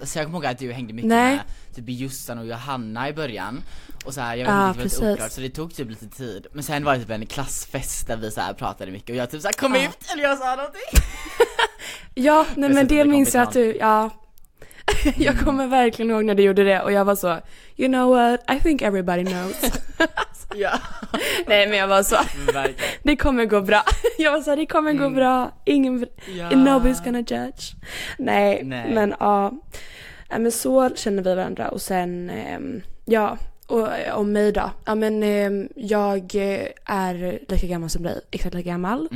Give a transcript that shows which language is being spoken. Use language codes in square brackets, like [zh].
[sv] Så jag kommer ihåg att du hängde mycket Nej. Med typ Jussan och Johanna i början. Och så här, jag var väldigt oklart. Så det tog typ lite tid. Men sen var det typ en klassfest där vi så här pratade mycket. Och jag typ så här, kom ut eller jag sa någonting. Ja, nej, men det minns jag att du, ja. Jag kommer verkligen ihåg när du gjorde det. Och jag var så, [en] you know what, I think everybody knows. [sv] Ja. Nej men jag var så, det kommer gå bra. Jag var så, det kommer gå bra. Ingen, ja. [en] Nobody's gonna judge. [sv] Nej. Men ja, men så känner vi varandra. Och sen, ja, och om mig då. Ja men jag är lika gammal som dig. Exakt lika gammal.